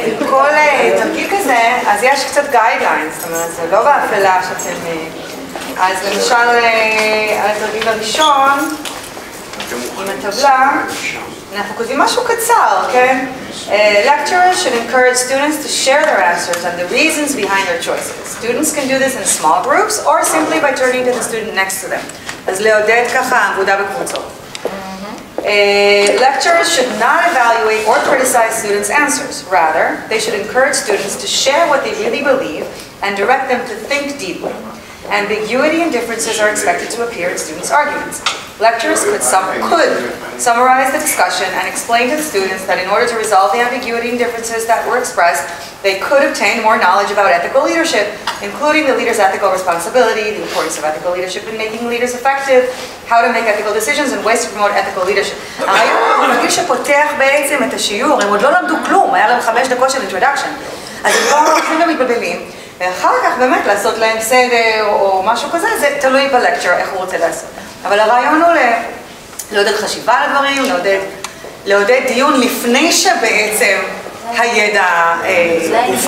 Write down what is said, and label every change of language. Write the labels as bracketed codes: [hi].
[he] כל תרגיל כזה, אז יש קצת גיידליינס, זאת אומרת, זה לא באפלה שאתם... אז למשל, על התרגיל הראשון, עם הטבלה, אנחנו כותבים משהו קצר, כן? [en] Lecturers should encourage students to share their answers and the reasons behind their choices. Students can do this in small groups or simply by turning to the student next to them. אז לעודד ככה, עבודה בקבוצות. Lecturers should not evaluate or criticize students' answers. Rather, they should encourage students to share what they really believe and direct them to think deeply. Ambiguity and differences are expected to appear in students' arguments. Lecturers could summarize the discussion and explain to the students that in order to resolve the ambiguity and differences that were expressed, they could obtain more knowledge about ethical leadership, including the leader's ethical responsibility, the importance of ethical leadership in making leaders effective, how to make ethical decisions, and ways to promote ethical leadership. [he] היום המגיל שפותח בעצם את השיעור, הם עוד לא למדו כלום, היה להם 5 דקות של introduction. אז הם כבר הולכים ומתבלבלים, ואחר כך באמת לעשות להם סדר או משהו כזה, זה תלוי בלקצ'ר, איך הוא רוצה לעשות. אבל הרעיון הוא לעודד חשיבה על הדברים, לעודד דיון לפני שבעצם הידע הופץ.